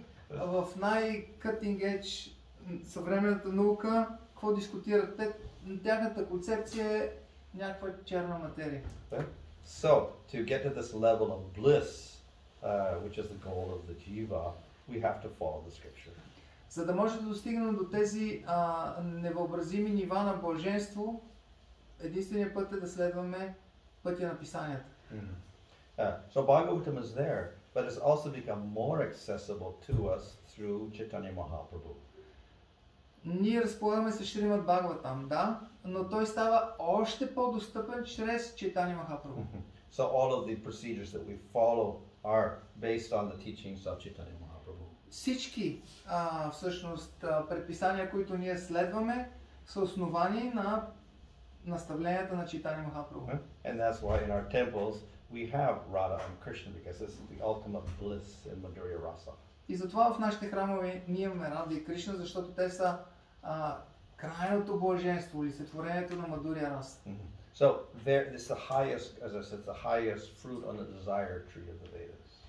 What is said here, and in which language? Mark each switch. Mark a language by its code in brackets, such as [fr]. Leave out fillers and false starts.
[bg] В най- [en] cutting edge [bg] съвременната наука, какво дискутират? Тяхната концепция е някаква черна материя. [en] Okay. So, to get to this level of bliss, which is the goal of the jiva, we have to follow the scripture. [bg] За да може да достигнем до тези невъобразими нива на блаженство, единственият път е да следваме пътя на писанията. [en] So Bhagavatam is there, but it's also become more accessible to us through Chaitanya Mahaprabhu. [bg] Ние разполагаме с Шримад Бхагаватам, да, но той става още по-достъпен чрез Чайтани Махапрабху. [en] So all of the procedures that we follow are based on the teachings of Чайтани Махапрабху. [bg] Всички, всъщност, предписания, които ние следваме, са основани на наставленията на Чайтани Махапрабху. [en] And that's why in our temples we have Radha and Krishna, because this is the ultimate bliss in Madhurya Rasa. [bg] И затова в нашите храмове ние имаме Рада и Кришна, защото те са крайното блаженство или сътворението на Мадурия раса. [en] So there is the highest, as I said, the highest fruit on the desire tree of the Vedas.